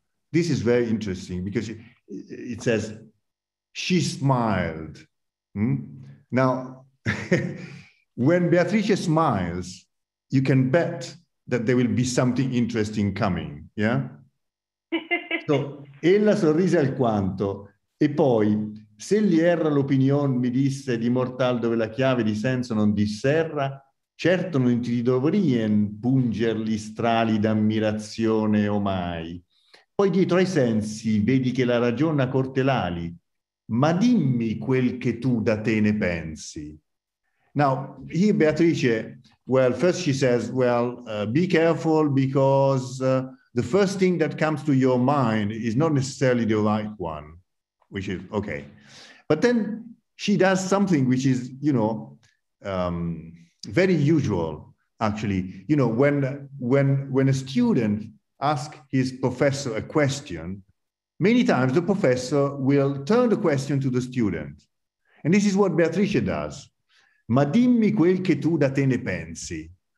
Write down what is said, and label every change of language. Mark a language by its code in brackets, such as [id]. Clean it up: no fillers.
[en] This is very interesting because it says, she smiled. Now, when Beatrice smiles, you can bet that there will be something interesting coming. [it] Yeah? So, ella sorrise alquanto. E poi, se li erra l'opinione, mi disse di mortal dove la chiave di senso non disserra, certo non ti dovrien punger gli strali d'ammirazione o mai. Poi dietro ai sensi vedi che la ragione ha corte l'ali, ma dimmi quel che tu da te ne pensi. [en] Now, here Beatrice, well, first she says, well, be careful because the first thing that comes to your mind is not necessarily the right one. Which is okay. But then she does something which is, you know, very usual, actually. You know, when a student asks his professor a question, many times the professor will turn the question to the student. And this is what Beatrice does. [it] Ma dimmi quel che tu da te ne pensi.